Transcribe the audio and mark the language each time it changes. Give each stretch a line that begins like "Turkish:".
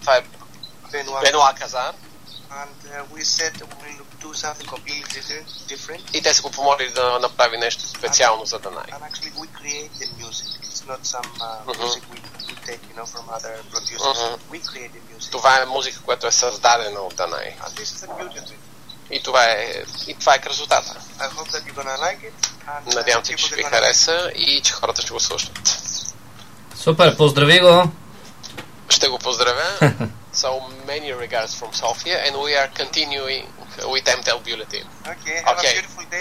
Bulgarian: Това е Benoit Cazar.
English: And we said we'll do something completely different.
Bulgarian: И те са го помолили да направи нещо специално за Данай.
English: And actually we create the music. Not some music we take, you know, from other producers. Mm-hmm. We create the music.
Bulgarian: Това е музика, която е създадена от Данай.
English: And this is the beauty of it.
Bulgarian: И това е красотата.
English: I hope that you're gonna like it. And
Bulgarian: надявам се, че ще ви хареса и че хората ще го слушат. Супер, поздрави го! Ще го поздравя.
English: So many regards from Sofia, and we are continuing with MTL Bulletin. Okay, have a beautiful day.